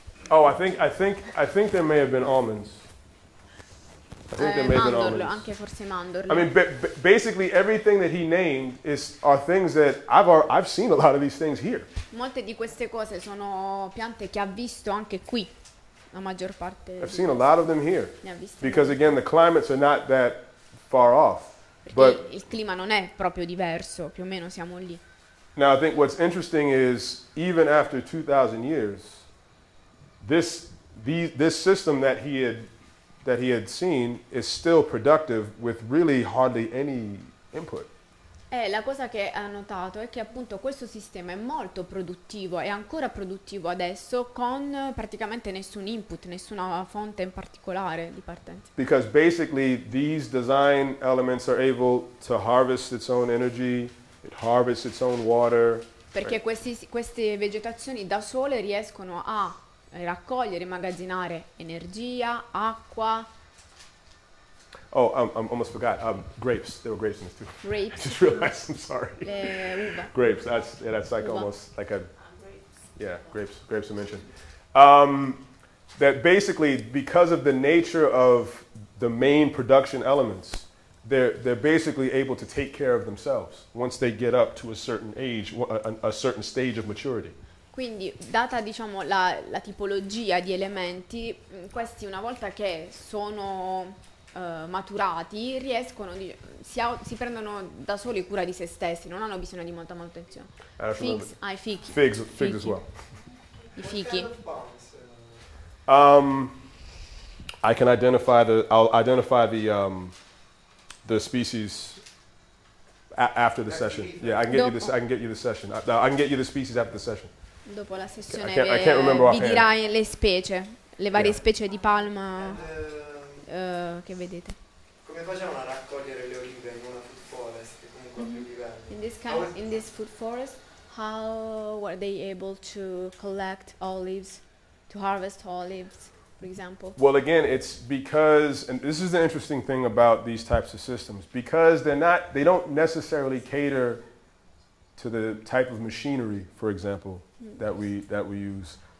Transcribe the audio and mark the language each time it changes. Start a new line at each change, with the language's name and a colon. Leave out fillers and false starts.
English: Oh, I think there may have been almonds. I think there may have been almonds.
Italian: Anche forse mandorle.
English: I mean, basically everything that he named are things that I've seen a lot of these things here.
Italian: Molte di queste cose sono piante che ha visto anche qui. La maggior parte.
English: I've seen a lot of them here. Because again, the climates are not that far off. But
Italian: il clima non è proprio diverso, più o meno siamo lì.
English: Now I think what's interesting is even after 2,000 years, this system that he had seen is still productive with really hardly any input.
Italian: La cosa che ha notato è che appunto questo sistema è molto produttivo, è ancora produttivo adesso con praticamente nessun input, nessuna fonte in particolare di partenza.
English: Because basically these design elements are able to harvest its own energy, it harvests its own water.
Italian: Perché queste vegetazioni da sole riescono a raccogliere, immagazzinare energia, acqua.
English: Oh, I almost forgot. Grapes. There were grapes in this too. Grapes. I just realized. I'm sorry.
Italian: Le uva.
English: Grapes. That's like
Italian: uva.
English: Almost like a. Grapes. Yeah, grapes. Grapes are mentioned. That basically, because of the nature of the main production elements, they're basically able to take care of themselves once they get up to a certain age, a certain stage of maturity.
Italian: Quindi, data diciamo la tipologia di elementi, questi una volta che sono maturati, riescono si prendono da soli cura di se stessi, non hanno bisogno di molta manutenzione.
English: Figs as well.
Italian: I fichi.
English: I can identify the species after the session. Yeah, I can get you the session. I can get you the species after the session.
Italian: Dopo la sessione vi dirai le specie, le varie specie di palma. Che vedete. Come facciamo a raccogliere le olive in una food forest che comunque ha più livelli?
English: In this food forest, how were they able to collect olives, to harvest olives, for example? Well, again, it's because, and this is the interesting thing about these types of systems, because they don't necessarily cater to the type of machinery, for example, that we use.